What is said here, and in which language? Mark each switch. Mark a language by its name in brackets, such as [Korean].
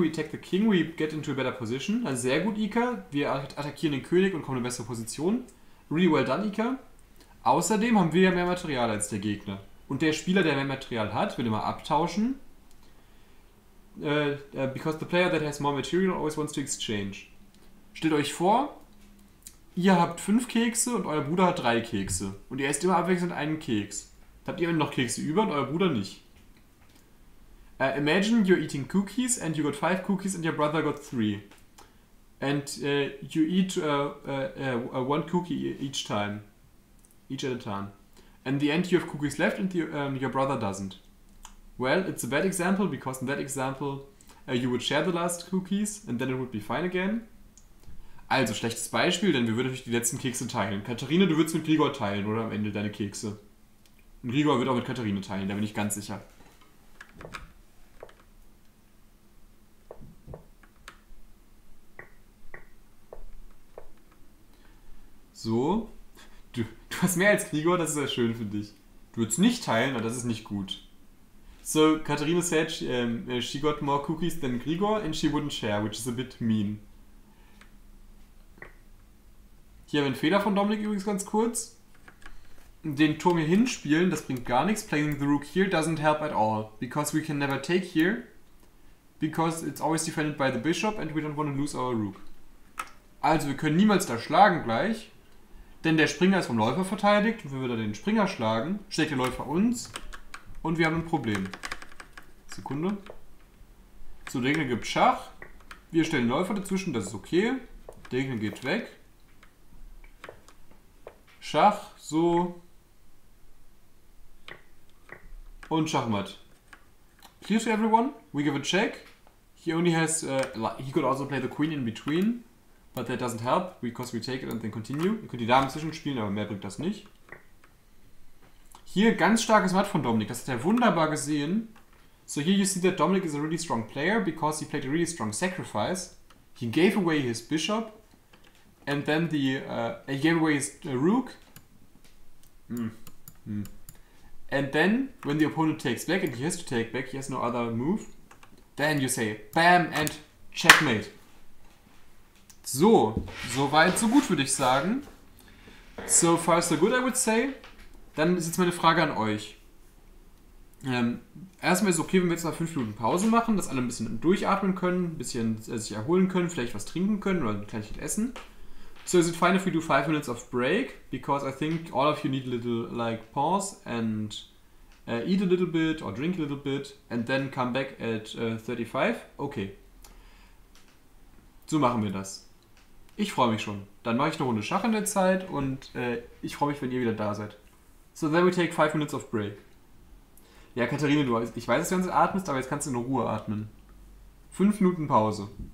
[English] We attack the King, we get into a better position. [German] Also sehr gut, Ika. Wir attackieren den König und kommen in eine bessere Position. [English] Really well done, Ika. [German] Außerdem haben wir ja mehr Material als der Gegner. Und der Spieler, der mehr Material hat, will immer abtauschen. [English] Because the player that has more material always wants to exchange. [German] Stellt euch vor, ihr habt 5 Kekse und euer Bruder hat 3 Kekse. Und ihr esst immer abwechselnd einen Keks. Da habt ihr noch Kekse über und euer Bruder nicht. [English] Imagine you're eating cookies and you got 5 cookies and your brother got 3. And you eat one cookie each time. Each at a time. In the end you have cookies left and your brother doesn't. Well, it's a bad example because in that example you would share the last cookies and then it would be fine again. [German] Also, schlechtes Beispiel, denn wir würden natürlich die letzten Kekse teilen. Katharina, du würdest mit Grigor teilen, oder am Ende deine Kekse. Und Grigor wird auch mit Katharina teilen, da bin ich ganz sicher. So. Du hast mehr als Grigor, das ist ja schön für dich. Du würdest nicht teilen, aber das ist nicht gut. [English] So, Katharina said she got more cookies than Grigor and she wouldn't share, which is a bit mean. [German] Hier haben wir einen Fehler von Dominik übrigens ganz kurz. Den Turm hier hinspielen, das bringt gar nichts. [English] Playing the rook here doesn't help at all. Because we can never take here. Because it's always defended by the bishop and we don't want to lose our rook. [German] Also, wir können niemals da schlagen gleich. Denn der Springer ist vom Läufer verteidigt und wenn wir da den Springer schlagen, schlägt der Läufer uns und wir haben ein Problem. Sekunde. So, der Gegner gibt Schach. Wir stellen Läufer dazwischen, das ist okay. Der Gegner geht weg. Schach, so. Und Schachmatt. [English] Clear to everyone, we give a check. He only has, he could also play the queen in between, but that doesn't help, because we take it and then continue. [German] Ihr könnt die Dame zwischen spielen, aber mehr bringt das nicht. Hier ganz starkes Matt von Dominik, das hat er wunderbar gesehen. [English] So here you see that Dominik is a really strong player, because he played a really strong sacrifice. He gave away his bishop, and then the, he gave away his rook. And then, when the opponent takes back, and he has to take back, he has no other move. Then you say, bam, and checkmate. So, [German] soweit so gut, würde ich sagen. [English] So far so good, I would say. [German] Dann ist jetzt meine Frage an euch. Erstmal ist es okay, wenn wir jetzt mal 5 Minuten Pause machen, dass alle ein bisschen durchatmen können, ein bisschen sich erholen können, vielleicht was trinken können oder ein Kleinchen essen. [English] So is it fine if we do 5 minutes of break? Because I think all of you need a little like pause and eat a little bit or drink a little bit and then come back at 35. [German] Okay. So machen wir das. Ich freue mich schon. Dann mache ich eine Runde Schach in der Zeit und ich freue mich, wenn ihr wieder da seid. [English] So then we take 5 minutes of break. [German] Ja, Katharina, du, ich weiß, dass du jetzt atmest, aber jetzt kannst du in Ruhe atmen. 5 Minuten Pause.